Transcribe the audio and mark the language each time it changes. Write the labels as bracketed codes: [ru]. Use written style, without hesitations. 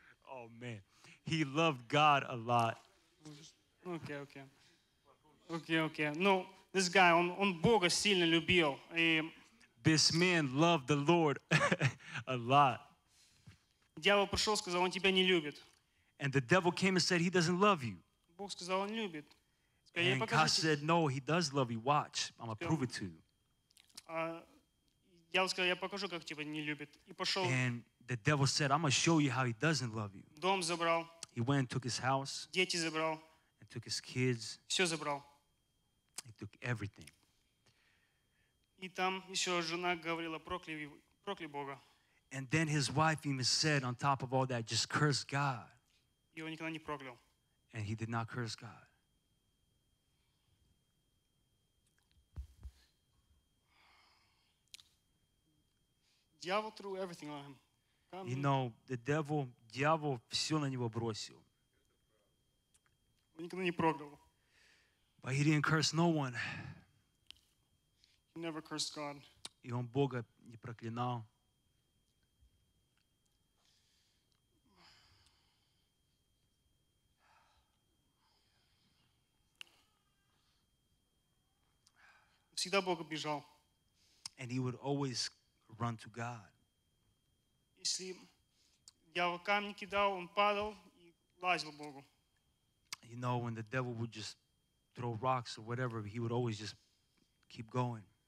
[en] Oh man. He loved God a lot. Okay. No, this guy [ru] он Бога сильно любил. И [en] this man loved the Lord a lot. [ru] Дьявол пришел, сказал, он тебя не любит. [en] And the devil came and said, he doesn't love you. [ru] Бог сказал, он любит. [en] And God said, no, he does love you. Watch, I'm gonna prove it to you. [ru] Дьявол сказал, я покажу, как тебя не любит. И пошел. [en] And the devil said, I'm gonna show you how he doesn't love you. [ru] Дом забрал. [en] He went and took his house. [ru] Дети забрал. [en] And took his kids. [ru] Все забрал. [en] He took everything. [ru] И там еще жена говорила, прокляй Бога. [en] And then his wife even said, on top of all that, just curse God. [ru] И он никогда не проклял. [en] And he did not curse God. Дьявол threw everything on him. You know, the devil, [ru] дьявол все на него бросил. Он никогда не проклял. [en] But he didn't curse no one. Never cursed God. [ru] И он Бога не проклинал. Всегда Бог бежал. [en] And he would always run to God. [ru] Если дьявол камни кидал, он падал и лазил Богу. [en] You know, when the devil would just throw rocks or whatever, he would always just keep going.